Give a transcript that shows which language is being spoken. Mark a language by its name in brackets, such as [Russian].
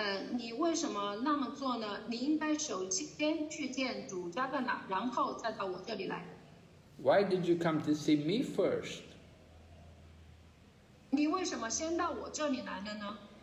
[Chinese] 你为什么那么做呢？你应该首先去见主加格纳，然后再到我这里来。 [English] Why did you come to see me first? [Chinese] 你为什么先到我这里来了呢？